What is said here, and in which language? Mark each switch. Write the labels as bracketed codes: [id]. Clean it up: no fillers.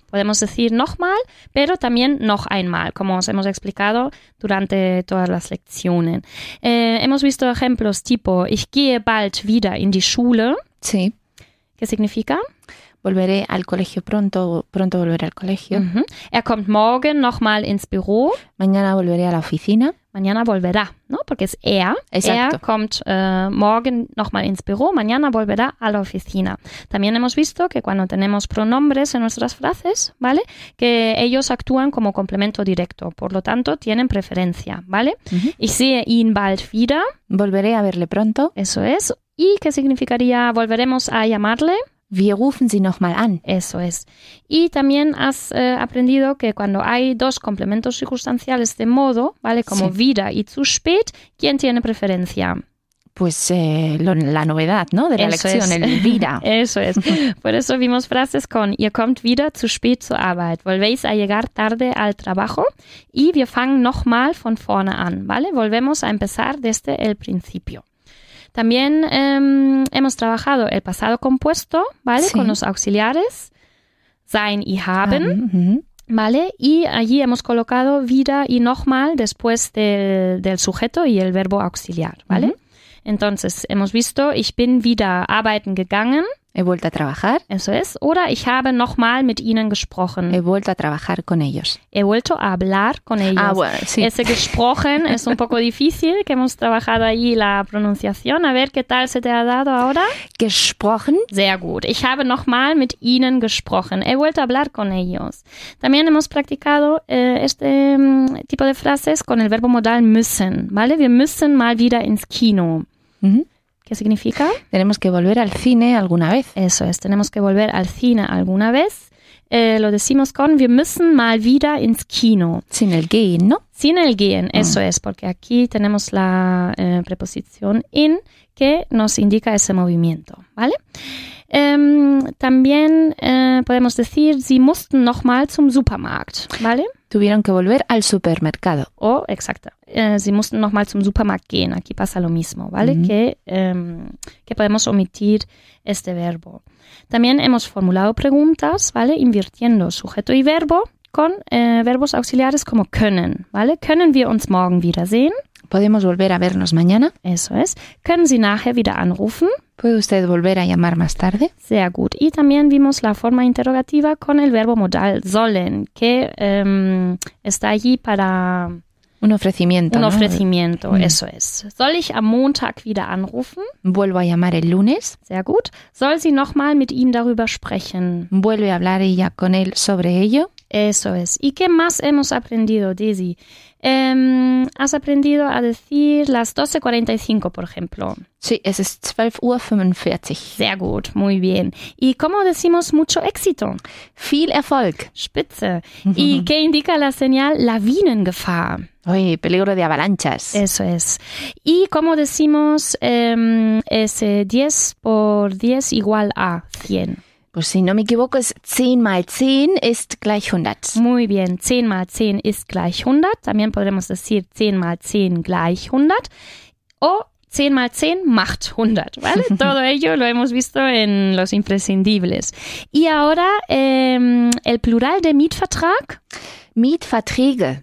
[es] Podemos decir nochmal, pero también noch einmal, como os hemos explicado durante todas las lecciones. Hemos visto ejemplos tipo, [de] ich gehe bald wieder in die Schule. [es] Sí. ¿Qué significa? Volveré al colegio pronto, pronto volveré al colegio. Mhm. [de] Er kommt morgen nochmal ins Büro. [es] Mañana volveré a la oficina. Mañana volverá, ¿no? Porque es er. Exacto. [de] Er kommt morgen nochmal ins Büro. [es] Mañana volverá a la oficina. También hemos visto que cuando tenemos pronombres en nuestras frases, ¿vale? Que ellos actúan como complemento directo. Por lo tanto, tienen preferencia, ¿vale? Uh-huh. [de] Ich sehe ihn bald wieder. [es] Volveré a verle pronto. Eso es. ¿Y qué significaría volveremos a llamarle? [de] Wir rufen sie nochmal an. [es] Eso es. Y también has aprendido que cuando hay dos complementos circunstanciales de modo, ¿vale? Como sí. Wieder y zu spät, ¿quién tiene preferencia? Pues la novedad, ¿no? De la eso lección, es. El wieder. Eso es. Por eso vimos frases con [de] ihr kommt wieder zu spät zur Arbeit. [es] Volvéis a llegar tarde al trabajo. [de] Y wir fangen nochmal von vorne an, ¿vale? [es] Volvemos a empezar desde el principio. También hemos trabajado el pasado compuesto, ¿vale? Sí. Con los auxiliares, sein y haben, mm-hmm. ¿Vale? Y allí hemos colocado wieder y nochmal después del sujeto y el verbo auxiliar, ¿vale? Mm-hmm. Entonces, hemos visto, [de] ich bin wieder arbeiten gegangen. [es] He vuelto a trabajar. Eso es. [de] Oder ich habe nochmal mit ihnen gesprochen. [es] He vuelto a trabajar con ellos. He vuelto a hablar con ellos. Ah, bueno, sí. Ese gesprochen es un poco difícil, que hemos trabajado ahí la pronunciación. A ver qué tal se te ha dado ahora. [de] Gesprochen. Sehr gut. Ich habe nochmal mit ihnen gesprochen. [es] He vuelto a hablar con ellos. También hemos practicado este tipo de frases con el verbo modal müssen. ¿Vale? [de] Wir müssen mal wieder ins Kino. Mm-hmm. [es] ¿Qué significa? Tenemos que volver al cine alguna vez. Eso es, tenemos que volver al cine alguna vez. Lo decimos con [de] wir müssen mal wieder ins Kino. [es] Sin el gehen, ¿no? Sin el gehen, eso es, porque aquí tenemos la preposición in, que nos indica ese movimiento, ¿vale? También podemos decir [de] sie mussten noch mal zum Supermarkt, [es] ¿vale? Tuvieron que volver al supermercado. Oh, exacto. [de] Sie mussten noch mal zum Supermarkt gehen. [es] Aquí pasa lo mismo, ¿vale? Mm-hmm. Que podemos omitir este verbo. También hemos formulado preguntas, ¿vale? Invirtiendo sujeto y verbo con verbos auxiliares como können, ¿vale? [de] Können wir uns morgen wiedersehen? [es] ¿Podemos volver a vernos mañana? Eso es. [de] Können Sie nachher wieder anrufen? [es] ¿Puede usted volver a llamar más tarde? [de] Sehr gut. [es] Y también vimos la forma interrogativa con el verbo modal sollen, que está allí para... Un ofrecimiento, un ¿no? ofrecimiento, eso es. [de] Soll ich am Montag wieder anrufen? [es] Vuelvo a llamar el lunes. [de] Sehr gut. Soll sie nochmal mit ihm darüber sprechen? [es] Vuelve a hablar ella con él sobre ello. Eso es. ¿Y qué más hemos aprendido, Daisy? Has aprendido a decir las 12:45, por ejemplo. Sí, es 12:45. [de] Sehr gut, [es] muy bien. ¿Y cómo decimos mucho éxito? [de] Viel Erfolg. Spitze. [es] ¿Y qué indica la señal Lawinengefahr? Uy, peligro de avalanchas. Eso es. ¿Y cómo decimos ese 10 por 10 igual a 100? Pues si no me equivoco, es [de] 10 mal 10 ist gleich 100. [es] Muy bien, [de] 10 mal 10 ist gleich 100. [es] También podremos decir [de] 10 mal 10 gleich 100. [es] O [de] 10 mal 10 macht 100, [es] ¿vale? Todo ello lo hemos visto en los imprescindibles. Y ahora, el plural de Mietvertrag. [de] Mietverträge.